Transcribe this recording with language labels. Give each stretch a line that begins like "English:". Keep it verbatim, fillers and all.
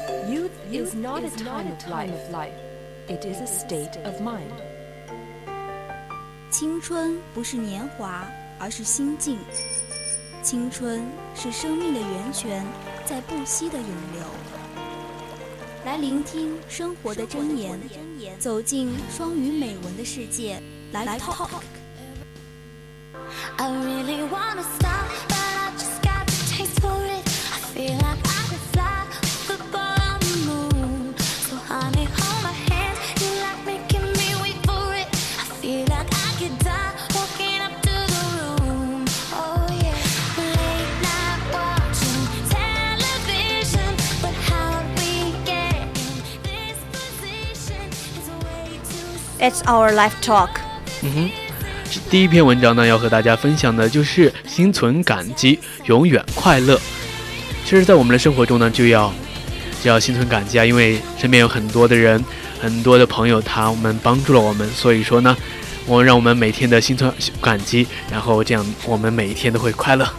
English: Youth is not a time of life, it is a state of mind.
Chinese: 青春不是年华，而是心境。青春是生命的源泉，在不息的涌流。来聆听生活的箴言，走进双语美文的世界。来 talk。
English: I really wanna stop, but I just got the taste for it. I feel like I could fly with a ball on the moon. So honey, hold my hand, you like making me wait for it. I feel like I could die walking up to the room. Oh yeah, late night watching television, but how'd we get in this position? It's way too. It's our life talk. 嗯哼。
Chinese: 第一篇文章呢，要和大家分享的就是心存感激，永远快乐。其实在我们的生活中呢，就要就要心存感激啊，因为身边有很多的人，很多的朋友，他们帮助了我们，所以说呢，我们让我们每天的心存感激，然后这样我们每一天都会快乐。